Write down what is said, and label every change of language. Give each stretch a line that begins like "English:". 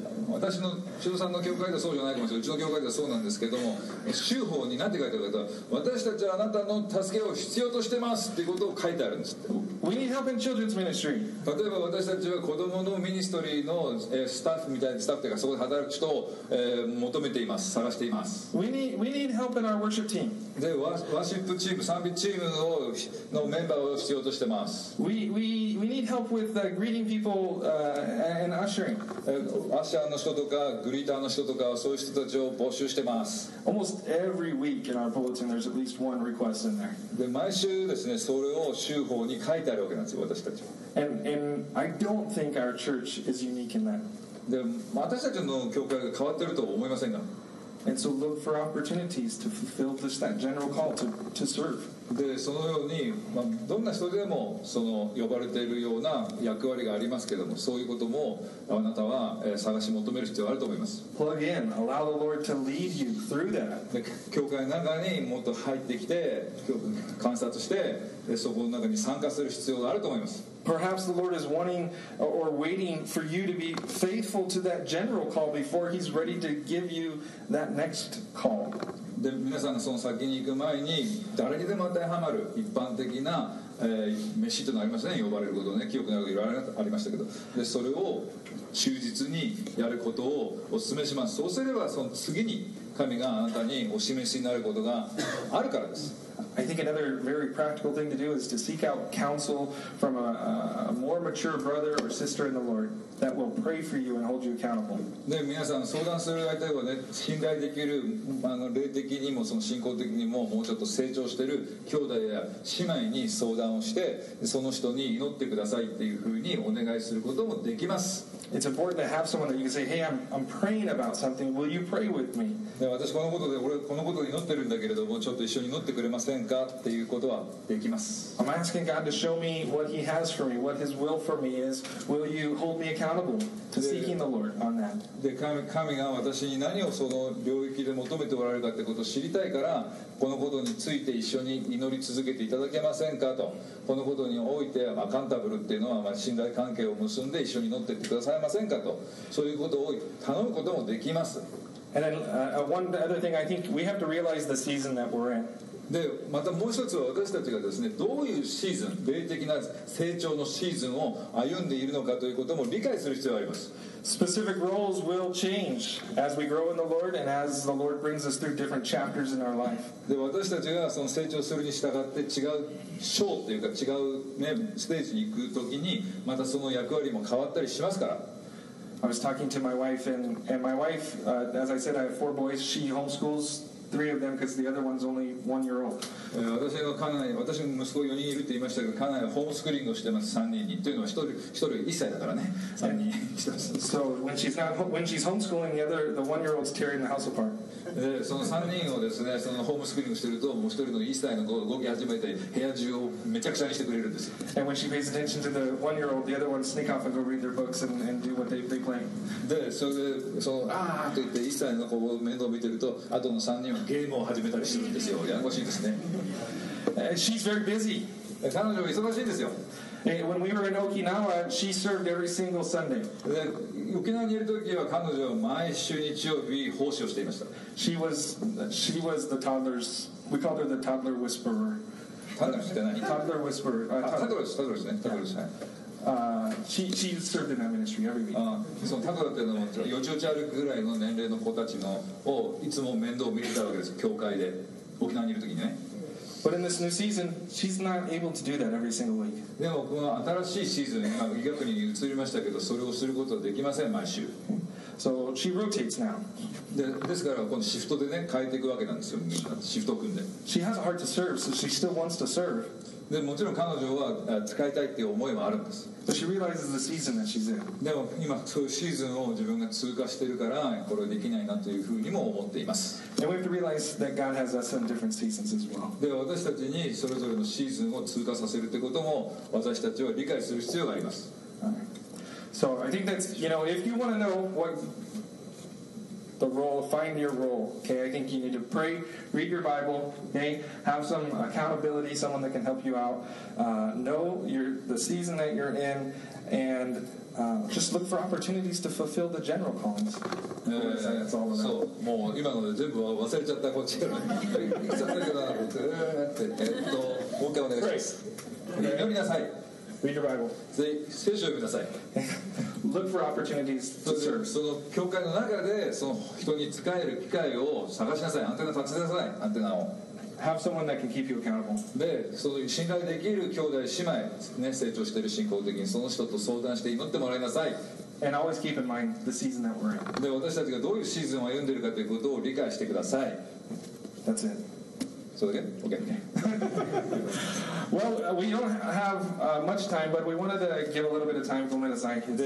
Japanese: 私の Shizuo-san の教会ではそうじゃないと思うんですよ。うちの教会ではそうなんですけども、修法に何て書いてあるかと、私たちはあなたの助けを必要としてますっていうことを書いてあるんです。
English: We need help in children's ministry.
Japanese: 例えば私たちは子どものミニストリーの、スタッフみたいな、スタッフというかそこで働く人を、求めています、探しています。
English: We need help in our worship team.
Japanese: で、ワーシップチーム、賛美チームをのメンバーを必要としてます。
English: We need help with greeting people and ushering.
Japanese: アッシャーのの人とかグリーターの人とかそういう人たちを募集してます。
English: Almost every week in our bulletin, there's at least one request in there.
Japanese: で毎週ですね、それを週報に書いてあるわけなんですよ、私たちは。
English: And I don't think our church is unique in that.
Japanese: で私たちの教会が変わってると思いませんが。
English: And so look for opportunities to fulfill just that general call to serve.
Japanese: で、そのように、まあ、どんな人でもその呼ばれているような役割がありますけれども、そういうこともあなたは、探し求める必要があると思います。
English: Plug in, allow the Lord to lead you through that.
Japanese: で、教会の中にもっと入ってきて、観察して、そこの中に参加する必要があると思います。
English: Perhaps the Lord is wanting or waiting for you to be faithful to that general call before He's ready to give you that next call.
Japanese: で、皆さんがその先に行く前に誰にでも当てはまる一般的な、飯となりましたね、呼ばれることね、記憶のあることいろいろありましたけど、で、それを忠実にやることをお勧めします。そうすればその次に神があなたにお示しになることがあるからです。
English: I think another very practical thing to do is to seek out counsel from a more mature brother or sister in the Lord that will pray for you and hold you accountable.
Japanese: ね、皆さん相談する相手はね、信頼できる、あの霊的にもその信仰的にももうちょっと成長している兄弟や姉妹に相談をして、その人に祈ってくださいっていうふうにお願いすることもできます。
English: It's important to have someone that you can say, "Hey, I'm praying about something. Will you pray with me?"
Japanese: で、私このことで、俺このことで祈ってるんだけれども、ちょっと一緒に祈ってくれませんかっていうことはできます。
English: I'm asking God to show me what He has for me, what His will for me is. Will you hold me accountable to seeking the Lord on that?
Japanese: で、神が私に何をその領域で求めておられるかってことを知りたいから、このことについて一緒に祈り続けていただけませんかと。このことにおいてアカンタブルっていうのは、まあ、信頼関係を結んで一緒に乗っていってくださいませんかと、そういうことを頼むこともできます。で、またもう一つは、私たちがですね、どういうシーズン、霊的な成長のシーズンを歩んでいるのかということも理解する必要があります。
English: Specific roles will change as we grow in the Lord and as the Lord brings us through different chapters in our life.
Japanese: で、私たちがその成長するに従って違う章というか違うね、ステージに行くときにまたその役割も変わったりしますから。
English: I was talking to my wife and my wife, as I said, I have four boys. She homeschools three of them because the other one's only 1 year old.
Japanese: 私の家内、私の息子4人いるって言いましたけど、家内はホームスクリーングをしてます、3人に。というのは1人1歳だからね、3人。
English: So when she's homeschooling, the 1 year old's tearing the house apart.
Japanese: その3人をですね、そのホームスクリーングしてると、もう1人の1歳の子が動き始めて、部屋中をめちゃくちゃにしてくれるんです。
English: And when she pays attention to the 1 year old, the other one sneak off and go read their books and do what they play.
Japanese: で、それで、その、あーって言って1歳の子を面倒見てると、あとの3人はゲームを始めたりするんですよ。やんこしいですね。
English: She's very busy.
Japanese: 彼女は忙しいんですよ。
English: When we were in Okinawa, she served every single Sunday.
Japanese: 沖縄にいるときは彼女は毎週日曜日奉仕をしていました。
English: She was the toddler's. We called her the toddler whisperer. Toddler whisperer. Toddler's. Toddler's. She served in that ministry every week.
Japanese: そのタドラっていうのはよちよち歩くぐらいの年齢の子たちのをいつも面倒を見てたわけです、教会で沖縄にいるときにね。
English: But in this new season, she's not able to do that every single week.
Japanese: でもこの新しいシーズン、今医学に移りましたけど、それをすることはできません、毎週。
English: So she rotates now.
Japanese: ですから、このシフトでね、変えていくわけなんですよ、みんな、シフトを組んで。
English: She has a heart to serve, so she still wants to serve.
Japanese: でもちろん彼女は使いたいっていう思いもあるんです。
English: But she realizes the season that she's in.
Japanese: でも今、そういうシーズンを自分が通過してるから、これはできないなというふうにも思っています。
English: And we have to realize that God has us in different seasons as well.
Japanese: で、私たちにそれぞれのシーズンを通過させるってことも、私たちは理解する必要があります。
English: So I think that's, you know, if you want to know what the role, find your role, okay? I think you need to pray, read your Bible, okay? Have some accountability, someone that can help you out. Know the season that you're in, and just look for opportunities to fulfill the general callings. That's all about. So,
Japanese: もう今ので全部忘れちゃった、こっちから。もう一回お願いします。
English: Pray.
Japanese: 読みなさい。
English: Read your Bible.
Japanese: 聖書を読みなさい。
English: Look for opportunities to serve.
Japanese: その教会の中でその人に使える機会を探しなさい。アンテナ立ちなさい。アンテナを。
English: Have someone that can keep you accountable.
Japanese: で、その信頼できる兄弟姉妹、ね、成長している信仰的にその人と相談して祈ってもらいなさい。
English: And always keep in mind the season that we're in.
Japanese: で、私たちがどういうシーズンを歩んでいるかということを理解してください。
English: That's it. So again, okay. Well, we don't have much time, but we wanted to give a little bit of time for Minasai.